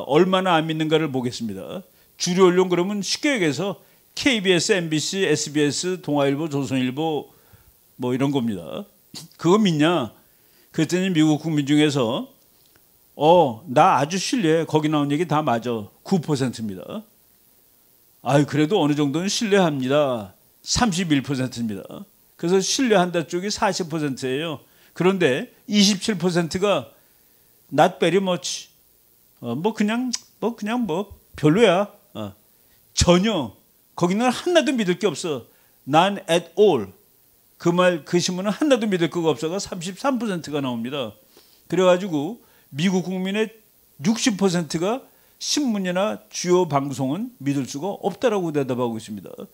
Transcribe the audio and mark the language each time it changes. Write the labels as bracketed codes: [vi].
[ko] 얼마나 안 믿는가를 보겠습니다. 주류 언론 그러면 쉽게 얘기해서 KBS, MBC, SBS, 동아일보, 조선일보 뭐 이런 겁니다. 그거 믿냐? 그랬더니 미국 국민 중에서 나 아주 신뢰해. 거기 나온 얘기 다 맞아. 9%입니다. 아유 그래도 어느 정도는 신뢰합니다. 31%입니다. 그래서 신뢰한다 쪽이 40%예요. 그런데 27%가 [en] not very much. [ko] 그냥 별로야. 전혀. 거기는 하나도 믿을 게 없어. [en] None at all. [ko] 그 말, 그 신문은 하나도 믿을 거가 없어가 33%가 나옵니다. 그래가지고 미국 국민의 60%가 신문이나 주요 방송은 믿을 수가 없다라고 대답하고 있습니다.